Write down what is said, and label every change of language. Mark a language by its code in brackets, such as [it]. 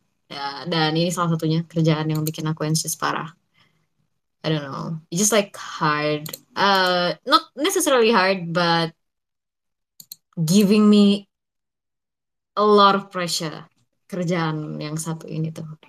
[id] Yeah, dan ini salah satunya kerjaan yang bikin aku anxious parah. [en] I don't know. It's just like hard. Not necessarily hard, but giving me a lot of pressure. [id] Kerjaan yang satu ini tuh.